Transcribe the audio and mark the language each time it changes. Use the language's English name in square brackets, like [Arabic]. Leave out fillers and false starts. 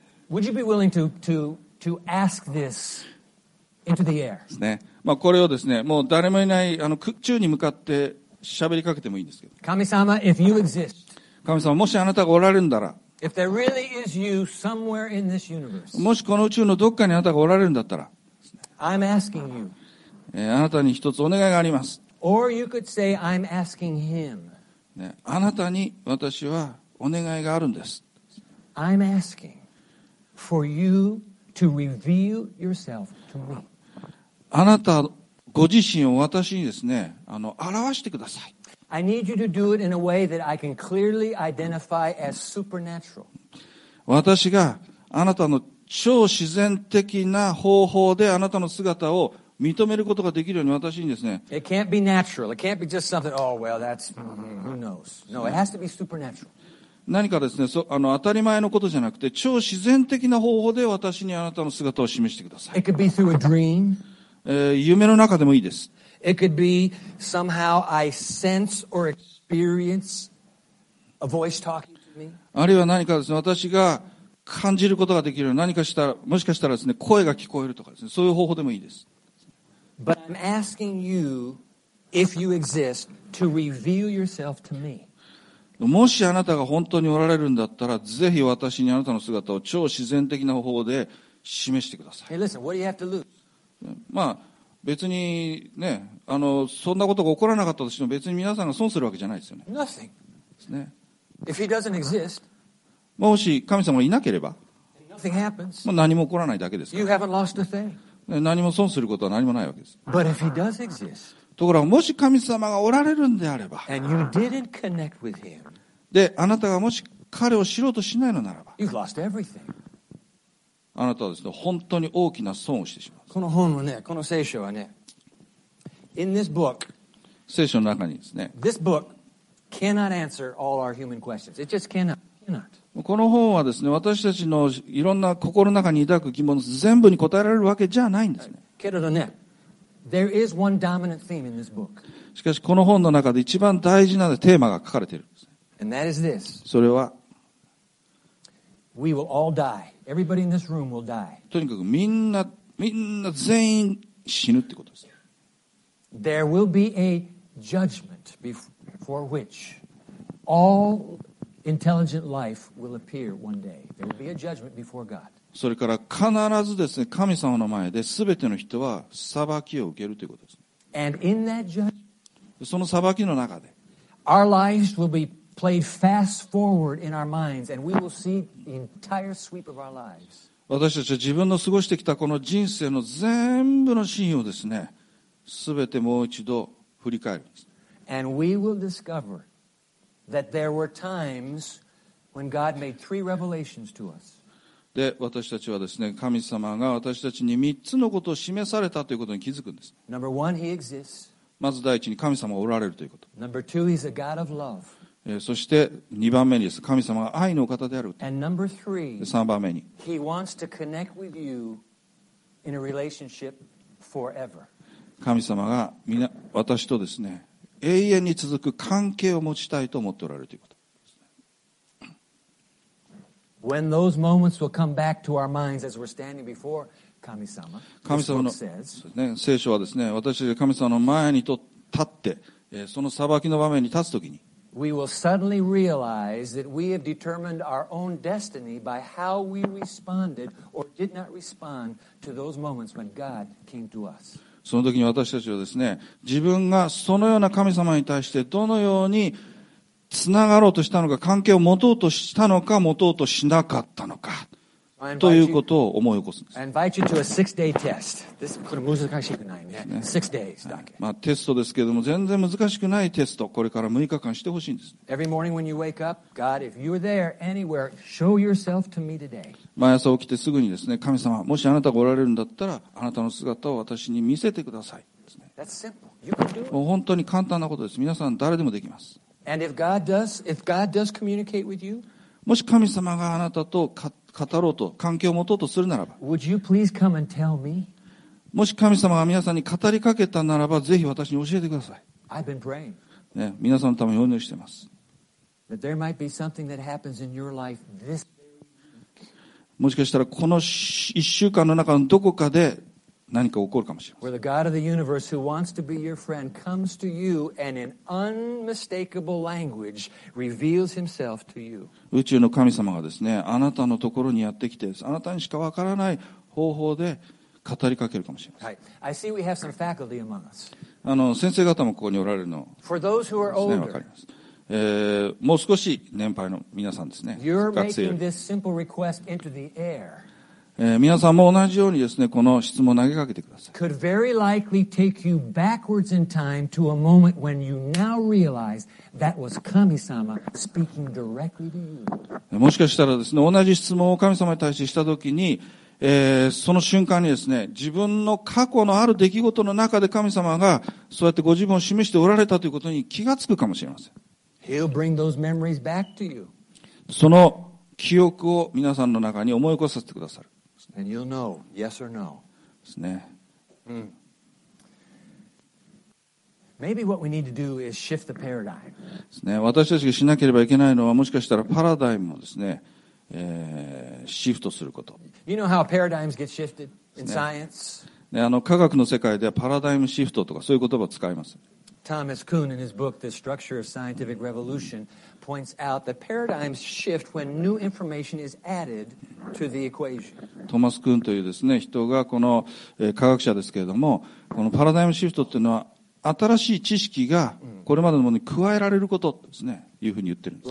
[English] Would you be willing to ask this into the air? [Japanese] ですね。まあ、これをですね、もう誰もいない、あの、空中に向かって喋りかけてもいいんですけど。 [English] 神様、if you exist. [Japanese] 神様、もしあなたがおられるんだら。 [English] If there really is you somewhere in this universe. [Japanese] もしこの宇宙のどっかにあなたがおられるんだったら。 [English] I'm asking you. [Japanese] あなたに一つお願いがあります。 [English] Or you could say, I'm asking him. [Japanese] ね、あなたに私はお願いがあるんです。 [English] I'm asking for you to reveal yourself to me. [Japanese] あなたご自身を私にですね、あの、表してください。 [English] I need you to do it in a way that I can clearly identify as supernatural. [Japanese] 私があなたの超自然的な方法であなたの姿を認めることができるように私にですね。 [English] It can't be natural. It can't be just something, oh, well, that's, who knows. No, it has to be supernatural. [Japanese] 何かですね、あの、当たり前のことじゃなくて、超自然的な方法で私にあなたの姿を示してください。 [English] It could be through a dream. [Japanese] 夢の中でもいいです。 [English] It could be somehow I sense or experience a voice talking to me. [Japanese] あるいは何かですね、私が感じることができる、何かしたら、もしかしたらですね、声が聞こえるとかですね、そういう方法でもいいです。 [English] But I'm asking you, if you exist, to reveal yourself to me. [Japanese] もしあなたが本当におられるんだったら、ぜひ私にあなたの姿を超自然的な方法で示してください。 [English] Hey, listen, what do you have to lose? [Japanese] まあ、別にね、あの、そんなことが起こらなかったとしても別に皆さんが損するわけじゃないですよね。 [English] Nothing. [Japanese] ですね。 [English] If he doesn't exist, [Japanese] もし神様がいなければ、 [English] nothing happens. [Japanese] まあ、何も起こらないだけですから。 [English] You haven't lost a thing. [Japanese] ね、何も損することは何もないわけです。 [English] But if he does exist, [Japanese] ところがもし神様がおられるんであれば、 [English] and you didn't connect with him, [Japanese] で、あなたがもし彼を知ろうとしないのならば、 [English] you've lost everything. [Japanese] あなたはですね、本当に大きな損をしてしまう。この本はね、この聖書はね、 [English] In this book, [Japanese] 聖書の中にですね、 [English] This book cannot answer all our human questions. It just cannot. [Japanese] この本はですね、私たちのいろんな心の中に抱く疑問全部に答えられるわけじゃないんですね。けれどね、 [English] There is one dominant theme in this book. [Japanese] しかし、この本の中で一番大事なテーマが書かれているんです。 [English] And that is this. [Japanese] それは、 [English] We will all die. Everybody in this room will die. [Japanese] とにかくみんな全員死ぬってことです。 [English] There will be a judgment before which all intelligent life will appear one day. There will be a judgment before God. [Japanese] それから必ずですね、神様の前で全ての人は裁きを受けるということです。 [English] And in that judgment, [Japanese] その裁きの中で、 [English] our lives will be played fast forward in our minds, and we will see the entire sweep of our lives. [Japanese] 私たちは自分の過ごしてきたこの人生の全部のシーンをですね、すべてもう一度振り返るんです。 [English] And we will discover that there were times when God made three revelations to us. [Japanese] で、私たちはですね、神様が私たちに3つのことを示されたということに気づくんです。 [English] Number one, he exists. [Japanese] まず第一に神様がおられるということ。 [English] Number two, he's a God of love. [Japanese] そして2番目にです。神様が愛の方であると [English] 。And number three, [Japanese] 3番目に。 [English] He wants to connect with you in a relationship forever. [Japanese] 神様が私とですね、永遠に続く関係を持ちたいと思っておられるということ。 [English] When those moments will come back to our minds as we're standing before 神様 [Japanese] の、ね、聖書はですね、私たちが神様の前に立って、その裁きの場面に立つときに、 [English] we will suddenly realize that we have determined our own destiny by how we responded or did not respond to those moments when God came to us. [Japanese] その時に私たちはですね、自分がそのような神様に対してどのようにつながろうとしたのか、関係を持とうとしたのか、持とうとしなかったのか、ということを思い起こすんです。 [English] I invite you to a six-day test. This is [Japanese] これ難しくないね。ね、 [English] six days [Japanese] だけ。まあテストですけれども、全然難しくないテスト、これから6日間してほしいんです。 [English] Every morning when you wake up, God, if you're there anywhere, show yourself to me today. [Japanese] 毎朝起きてすぐにですね、神様、もしあなたがおられるんだったら、あなたの姿を私に見せてください。 [English] That's simple. You can do it. [Japanese] もう本当に簡単なことです。皆さん誰でもできます。 [English] And if God does communicate with you, [Japanese] もし神様があなたと語ろうと、関係を持とうとするならば、 [English] would you please come and tell me? [Japanese] もし神様が皆さんに語りかけたならば、ぜひ私に教えてください。 [English] I've been praying. [Japanese] ね、皆さんのためにお祈りしています。 [English] That there might be something that happens in your life this very week. [Japanese] もしかしたらこの一週間の中のどこかで何か起こるかもしれません。 [English] Where the God of the universe who wants to be your friend comes to you and in unmistakable language reveals himself to you. [Japanese] 宇宙の神様がですね、あなたのところにやってきて、あなたにしかわからない方法で語りかけるかもしれません。 [English] I see we have some faculty among us. [Japanese] 先生方もここにおられるのを、ね、 [English] For those who are older, [Japanese] わかります。もう少し年配の皆さんですね。 [English] You're making this simple request into the air. [Japanese] 皆さんも同じようにですね、この質問を投げかけてください。 [English] Could very likely take you backwards in time to a moment when you now realize that was 神様 speaking directly to you. [Japanese] もしかしたらですね、同じ質問を神様に対してしたときに、その瞬間にですね、自分の過去のある出来事の中で神様がそうやってご自分を示しておられたということに気がつくかもしれません。 [English] He'll bring those memories back to you. [Japanese] その記憶を皆さんの中に思い起こさせてくださる。 [English] And you'll know, yes or no. [Japanese] ですね。 [English] Maybe what we need to do is shift the paradigm. [Japanese] ですね。私たちがしなければいけないのは、もしかしたらパラダイムをですね、シフトすること。 [English] You know how paradigms get shifted in science? [Japanese] ね、科学の世界ではパラダイムシフトとかそういう言葉を使います。 [English] Thomas Kuhn in his book, The Structure of Scientific Revolution, points out that paradigms shift when new information is added to the equation. [Japanese] トマス・クーンというですね、人がこの、科学者ですけれども、このパラダイムシフトっていうのは、新しい知識がこれまでのものに加えられることですね、いうふうに言ってるんです。